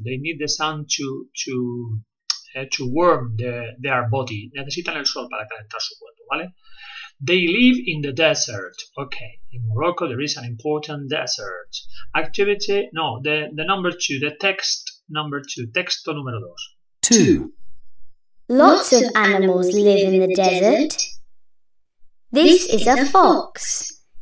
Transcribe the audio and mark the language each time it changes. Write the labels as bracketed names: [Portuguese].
[English] They need the sun to warm their body. [Spanish] Necesitan el sol para calentar su cuerpo, ¿vale? [English] They live in the desert. Okay, in Morocco there is an important desert. Activity, no, the number two, the text number two, [Spanish] texto número dos. [English] Two. Lots of animals live in the desert. This is a fox.